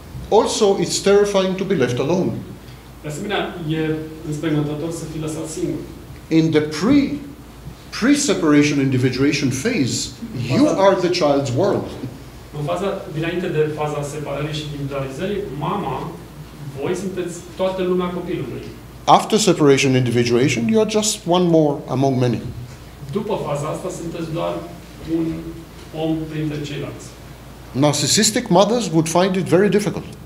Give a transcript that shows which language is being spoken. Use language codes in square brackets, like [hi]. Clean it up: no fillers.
[en] Also, it's terrifying to be left alone. [ro] De asemenea, e înspăimântător să fii lăsat singur. [en] In the pre-separation individuation phase, you are the child's world. [ro] În faza, dinainte de faza separării și individualizării, mama, voi sunteți toată lumea copilului. [en] After separation individuation, you are just one more among many. [ro] După faza asta, sunteți doar un om printre ceilalți. [en] Narcissistic mothers would find it very difficult.